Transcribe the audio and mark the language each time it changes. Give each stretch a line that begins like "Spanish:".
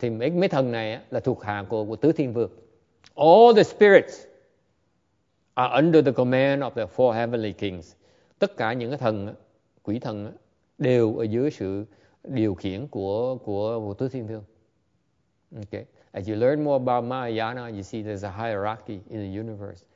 Vietnamese: Thì mấy thần này là thuộc hạ của tứ thiên vương.
English: All the spirits are under the command of the four heavenly kings.
Vietnamese: Tất cả những cái thần, quỷ thần đều ở dưới sự điều khiển của tứ thiên vương.
English: Okay. As you learn more about Mahayana, you see there's a hierarchy in the universe.